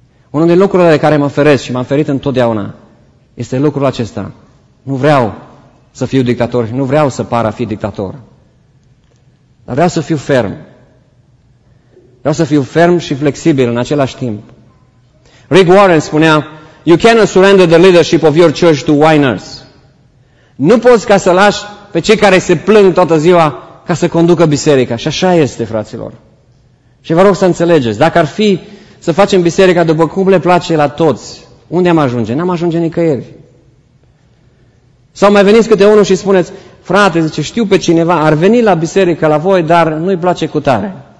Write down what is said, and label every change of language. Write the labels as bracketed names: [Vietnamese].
[Romanian] Unul din lucrurile de care mă feresc și m-am ferit întotdeauna este lucrul acesta. Nu vreau să fiu dictator și nu vreau să par a fi dictator. Dar vreau să fiu ferm. Vreau să fiu ferm și flexibil în același timp. [English] Rick Warren [Romanian] spunea, [English] "You cannot surrender the leadership of your church to whiners." [Romanian] Nu poți ca să lași pe cei care se plâng toată ziua ca să conducă biserica. Și așa este, fraților. Și vă rog să înțelegeți, dacă ar fi să facem biserica după cum le place la toți, unde am ajunge? N-am ajunge nicăieri. Sau mai veniți câte unul și spuneți, frate, zice, știu pe cineva, ar veni la biserică la voi, dar nu-i place cu tare.